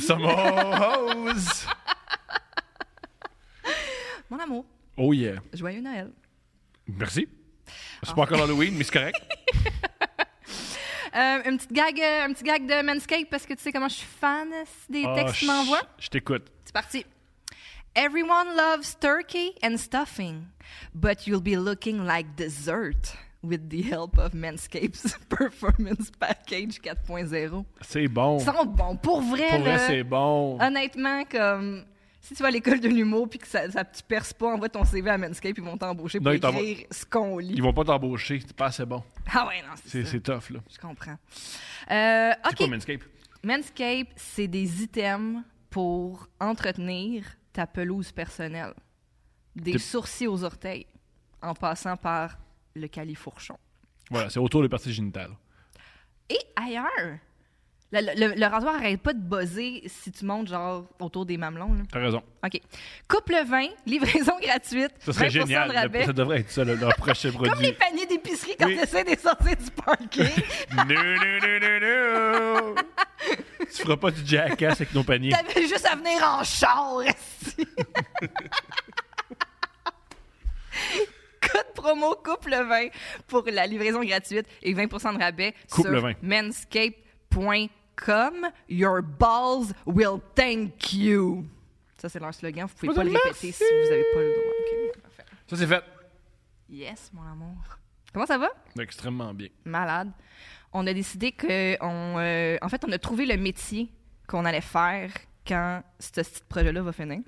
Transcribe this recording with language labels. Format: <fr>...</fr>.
<fr>Some ho hoes. Mon amour. Oh yeah. Joyeux Noël. Merci. Sparkle Halloween, mais c'est correct. Une petite gag de Manscaped parce que tu sais comment je suis fan des textes qu'ils m'envoient. Je t'écoute. C'est parti.</fr> <en>Everyone loves turkey and stuffing, but you'll be looking like dessert with the help of Manscaped's Performance Package 4.0.</en> <fr>C'est bon. Ça sent bon. Pour vrai, pour vrai, c'est bon. Honnêtement, comme si tu vas à l'école de l'humour puis que ça tu perces pas, envoie ton CV à Manscaped, ils vont t'embaucher pour écrire ce qu'on lit. Ils vont pas t'embaucher, c'est pas assez bon. Ah ouais, non, c'est ça. C'est tough, là. Je comprends. C'est quoi Manscaped? Manscaped, c'est des items pour entretenir ta pelouse personnelle, sourcils aux orteils, en passant par le califourchon. Voilà, c'est autour des parties génitales. Et ailleurs, le rasoir arrête pas de buzzer si tu montes genre autour des mamelons. Là. T'as raison. OK. Coupe le vin, livraison gratuite. Ça serait génial. Ça devrait être ça, leur prochain produit. Comme les paniers d'épicerie quand tu essaies de sortir du parking. Non. Tu feras pas du jackass avec nos paniers. T'avais juste à venir en char, ici. Code promo coupe le vin pour la livraison gratuite et 20% de rabais coupe sur manscaped.com.</fr> <en>Your balls will thank you.</en> <fr>Ça, c'est leur slogan. Vous pouvez pas le répéter merci. Si vous avez pas le droit. Okay. Ça, c'est fait. Yes, mon amour. Comment ça va? Extrêmement bien. Malade. On a décidé qu'on a trouvé le métier qu'on allait faire quand ce petit projet-là va finir.</fr>